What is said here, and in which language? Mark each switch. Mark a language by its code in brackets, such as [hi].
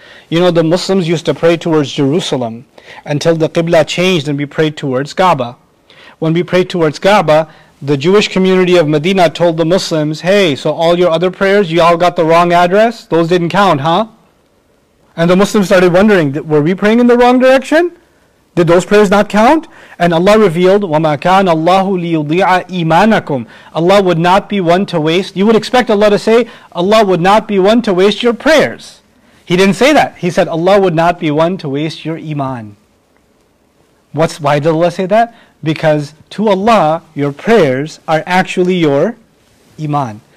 [en] You know, the Muslims used to pray towards Jerusalem until the Qibla changed and we prayed towards Kaaba. When we prayed towards Kaaba, the Jewish community of Medina told the Muslims, hey, so all your other prayers, you all got the wrong address? Those didn't count, huh? And the Muslims started wondering, were we praying in the wrong direction? Did those prayers not count? And Allah revealed, [ar] وَمَا كَانَ اللَّهُ لِيُضِيعَ إِيمَانَكُمْ. [en] Allah would not be one to waste. You would expect Allah to say, Allah would not be one to waste your prayers. He didn't say that. He said, Allah would not be one to waste your iman. Why did Allah say that? Because to Allah, your prayers are actually your iman.